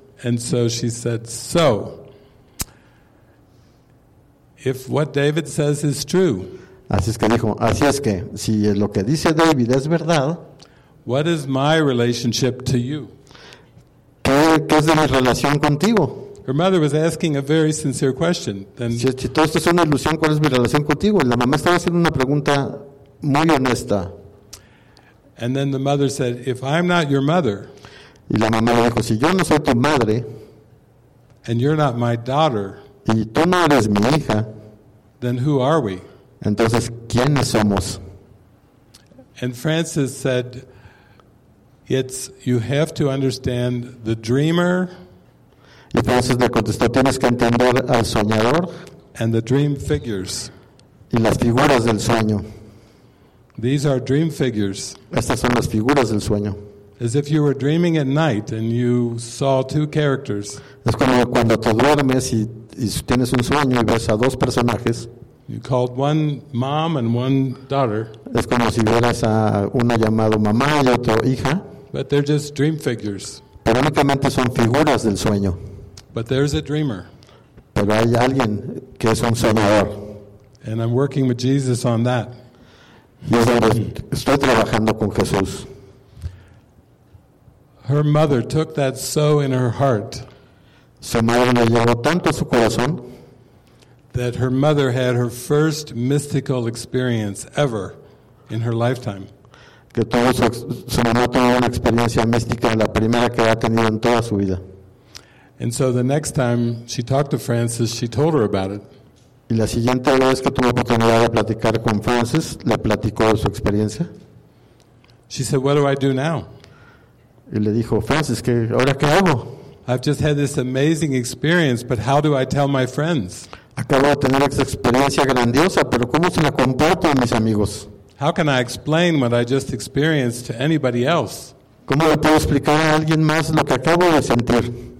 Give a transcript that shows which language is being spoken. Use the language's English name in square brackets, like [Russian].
[English] And so she said, so, if what David says is true, [Spanish] así es que dijo, así es que, si lo que dice David es verdad, [English] what is my relationship to you? [Spanish] ¿Qué es de mi relación contigo? [English] Her mother was asking a very sincere question. Then, [Spanish] si todo esto es una ilusión, ¿cuál es mi relación contigo? La mamá estaba haciendo una pregunta muy honesta. [English] And then the mother said, if I'm not your mother, [Spanish] y la mamá le dijo, si yo no soy tu madre, [English] and you're not my daughter, [Spanish] y tú no eres mi hija, [English] then who are we? [Spanish] Entonces, ¿quiénes somos? [English] And Francis said, it's, you have to understand the dreamer, [Spanish] y Francis le contestó, tienes que entender al soñador, [English] and the dream figures, [Spanish] y las figuras del sueño. [English] These are dream figures. [Spanish] Estas son las figuras del sueño. [English] As if you were dreaming at night and you saw two characters. [Spanish] Es como cuando te duermes y tienes un sueño y ves a dos personajes. [English] You called one mom and one daughter. [Spanish] Es como si vieras a una llamado mamá y otro hija. [English] But they're just dream figures. [Spanish] Pero únicamente son figuras del sueño. [English] But there's a dreamer. [Spanish] Pero hay alguien que es un soñador. [English] And I'm working with Jesus on that. [Spanish] Y es donde estoy trabajando con Jesús. [English] Her mother took that so in her heart. [Spanish] Su madre le llevó tanto su corazón. [English] That her mother had her first mystical experience ever in her lifetime. [Spanish] Que tuvo su mamá tuvo una experiencia mística la primera que ha tenido en toda su vida. [English] And so the next time she talked to Francis, she told her about it. [Spanish] Y la siguiente vez que tuvo oportunidad de platicar con Francis, le platicó su experiencia. [English] She said, "What do I do now?" [Spanish] Y le dijo, Francis, ¿qué, ahora qué hago? [English] I've just had this amazing experience, but how do I tell my friends? [Spanish] Acabo de tener esta experiencia grandiosa, pero ¿cómo se la comparto a mis amigos? [English] How can I explain what I just experienced to anybody else? [Spanish] ¿Cómo le puedo explicar a alguien más lo que acabo de sentir?